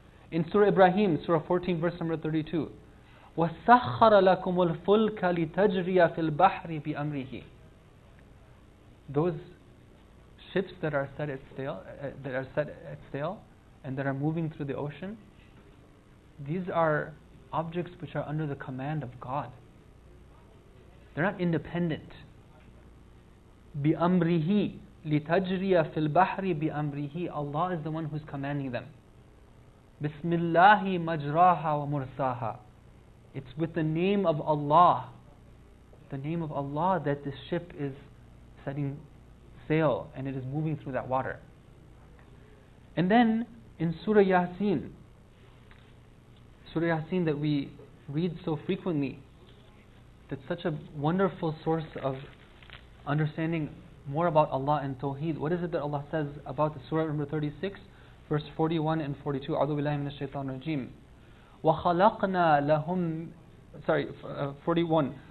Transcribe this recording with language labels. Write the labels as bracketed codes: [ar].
[en] In Surah Ibrahim, Surah 14, verse number 32, [ar] وَسَخَّرَ لَكُمُ الْفُلْكَ لِتَجْرِيَ فِي الْبَحْرِ بِأَمْرِهِ. [en] Those ships that are set at sail, and that are moving through the ocean, these are objects which are under the command of God. They're not independent. [ar] بِأَمْرِهِ لِتَجْرِيَ فِي الْبَحْرِ بِأَمْرِهِ. [en] Allah is the one who's commanding them. [ar] بِسْمِ اللَّهِ مَجْرَاهَا وَمُرْسَاهَا. [en] It's with the name of Allah, the name of Allah, that this ship is setting sail and it is moving through that water. And then in Surah Yasin that we read so frequently, that's such a wonderful source of understanding more about Allah and Tawheed. What is it that Allah says about the Surah number 36, verse 41 and 42? [ar] A'udhu billahi minash shaitan rajim. وَخَلَقْنَا لَهُمْ [en] Sorry, 41.